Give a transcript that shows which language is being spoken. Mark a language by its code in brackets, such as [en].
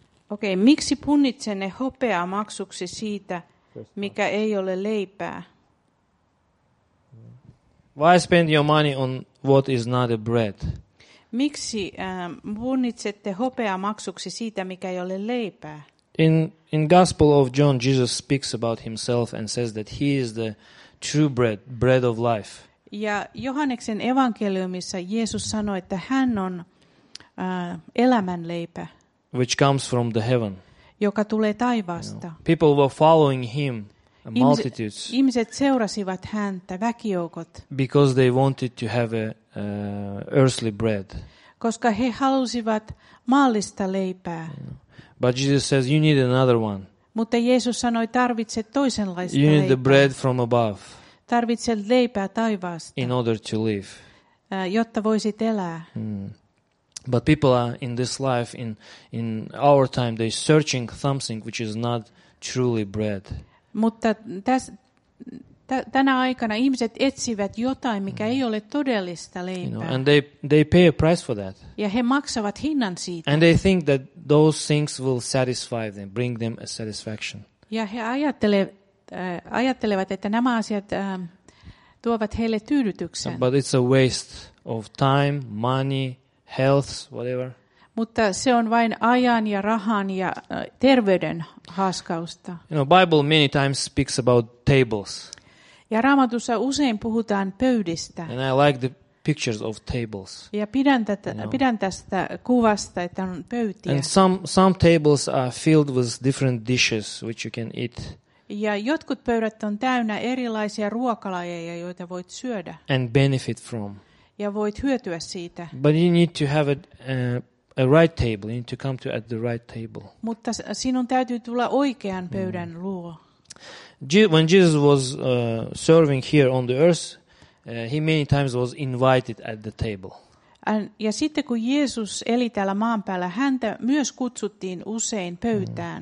[fi] Okei, miksi punnitsenne hopeaa maksuksi siitä, mikä ei ole leipää? [en] Why spend your money on what is not a bread? [fi] Miksi punnitsette hopeaa maksuksi siitä, mikä ei ole leipää? [en] In Gospel of John, Jesus speaks about himself and says that he is the true bread, bread of life. [fi] Ja Johanneksen evankeliumissa Jeesus sanoi, että hän on elämän leipä, [en] which comes from the heaven, [fi] joka tulee taivaasta. You [en] know, people were following him, multitudes. [fi] Ihmiset seurasivat häntä, väkijoukot, [en] because they wanted to have a earthly bread, [fi] koska he halusivat maallista leipää. [en] But Jesus says, you need another one. [fi] Mutta Jeesus sanoi, tarvitset toisenlaista leipää. [en] You need the bread from above. [fi] Tarvitset leipää taivaasta. [en] In order to live. [fi] Jotta voisit elää. Mm. [en] But people are in this life, in our time, they're searching something which is not truly bread. [fi] Mutta tänä aikana ihmiset etsivät jotain, mikä ei ole todellista leipää. [en] You know, and they pay a price for that. [fi] Ja he maksavat hinnan siitä. [en] And they think that those things will satisfy them, bring them a satisfaction. [fi] Ja he ajattelevat, että nämä asiat tuovat heille tyydytyksen. [en] But it's a waste of time, money, health, whatever. [fi] Mutta se on vain ajan ja rahan ja terveyden haaskausta. [en] You know, Bible many times speaks about tables. [fi] Ja Raamatussa usein puhutaan pöydistä. [en] And I like the pictures of tables. [fi] Ja pidän tästä kuvasta, että on pöytiä. [en] And some tables are filled with different dishes which you can eat. [fi] Ja jotkut pöydät on täynnä erilaisia ruokalajeja, joita voit syödä. [en] And benefit from. [fi] Ja voit hyötyä siitä. [en] But you need to have a right table. You need to come to at the right table. [fi] Mutta sinun täytyy tulla oikean pöydän luo. [en] When Jesus was serving here on the earth, he many times was invited at the table. [fi] Ja sitten kun Jeesus eli täällä maan päällä, häntä myös kutsuttiin usein pöytään.